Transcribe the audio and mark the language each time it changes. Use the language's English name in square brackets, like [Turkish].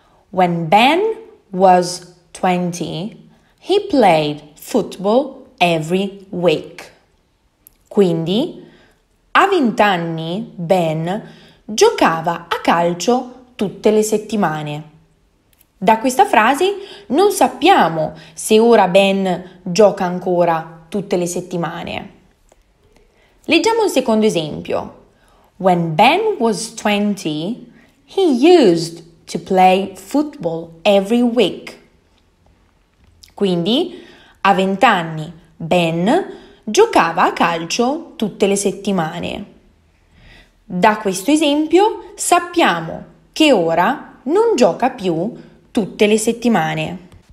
[English] When Ben was 20, he played football every week. [Italian] Quindi, a 20 anni, Ben giocava a calcio tutte le settimane. Da questa frase non sappiamo se ora Ben gioca ancora tutte le settimane. Leggiamo un secondo esempio. [English] When Ben was 20, he used to play football every week. [Italian] Quindi, a 20 anni, Ben giocava a calcio tutte le settimane. Da questo esempio sappiamo che ora non gioca più tutte le settimane.